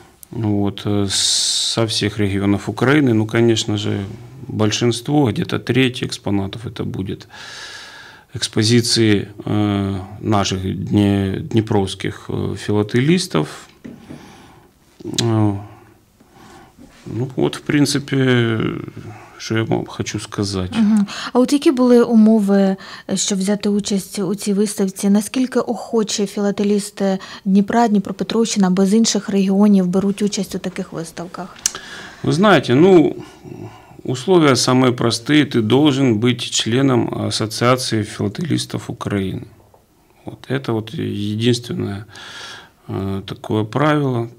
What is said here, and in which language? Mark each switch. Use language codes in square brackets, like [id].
[ru] Вот, со всех регионов Украины, ну, конечно же, большинство, где-то треть экспонатов, это будет экспозиции наших днепровских филателистов. [uk] Ну, вот, в принципе, що я вам хочу сказати. А от які були умови, щоб взяти участь у цій виставці? Наскільки охочі філателісти Дніпра, Дніпропетровщини або з інших регіонів беруть участь у таких виставках? Ви знаєте, [ru] ну, условия самые простые. [uk] Ти должен бути членом Асоціації філателістів України. [ru] Вот это вот единственное такое правило.